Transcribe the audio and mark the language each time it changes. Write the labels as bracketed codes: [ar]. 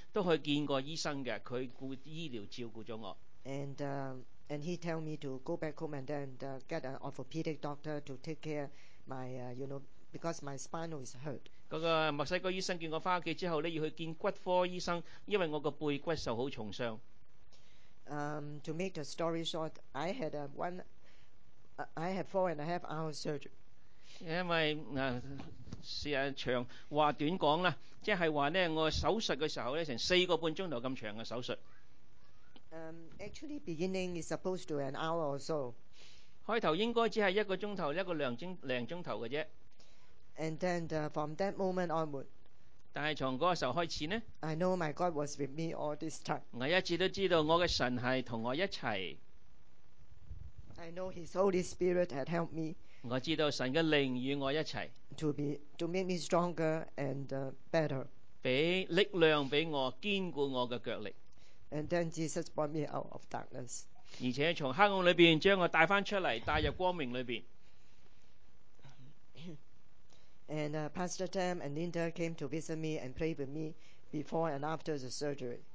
[yue] 虽然未曾翻屋企，当时喺墨西哥咧都去见过医生嘅，佢顾医疗照顾咗我。 [en] And he tell me to go back home and then get an orthopedic doctor to take care my you know because my spinal is hurt. [yue] 那个墨西哥医生叫我翻屋企之后咧，要去见骨科医生，因为我个背骨受好重伤。 [en] To make the story short, I had a one, I had 4.5 hour surgery. [yue] 因为时间长话短讲啦，即系话咧，我手术嘅时候咧，成4.5个钟头咁长嘅手术。 [en] Actually, beginning is supposed to an hour or so. [yue] 开头应该只系一个钟头，一个零钟头嘅啫。 [en] And then from that moment onward. [yue] 但系从嗰个时候开始呢。 [en] I know my God was with me all this time. [yue] 我一直都知道我嘅神系同我一齐。 [en] I know His Holy Spirit had helped me. [yue] 我知道神嘅灵与我一齐。 [en] To make me stronger and better. [yue] 俾力量俾我，坚固我嘅脚力。 [en] And then Jesus brought me out of darkness. [yue] 而且从黑暗里边将我带翻出嚟，带入光明里边。 [en] And Pastor Tam and Linda came to visit me and pray with me before and after the surgery.